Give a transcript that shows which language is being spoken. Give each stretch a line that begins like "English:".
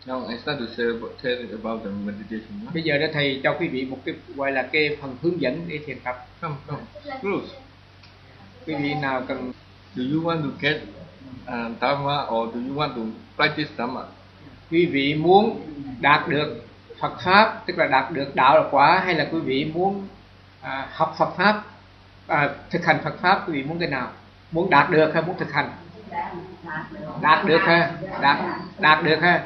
English: Now, I start to say about, tell you about the meditation.
Vietnamese: Bây giờ đó thầy cho quý vị một cái gọi là cái phần hướng dẫn để thiền tập.
English: Come, come, close.
Vietnamese: Quý vị nào cần.
English: Do you want to get Dharma or do you want to practice Dharma?
Vietnamese: Quý vị muốn đạt được Phật pháp, tức là đạt được đạo quả, hay là quý vị muốn học Phật pháp, thực hành Phật pháp, quý vị muốn cái nào? Muốn đạt được hay muốn thực hành? Đạt được ha, đạt được ha.